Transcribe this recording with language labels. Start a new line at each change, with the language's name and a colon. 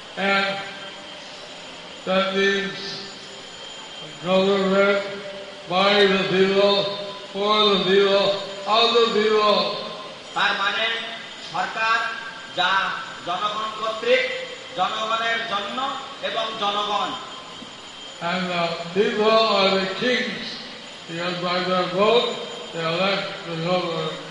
English: and that means government by the people, for the people, of the people.
Bangla: তার মানে সরকার যা জনগণ কর্তৃক জনগণের জন্য এবং জনগণ,
English: and the people are the kings because by their vote they elect the government.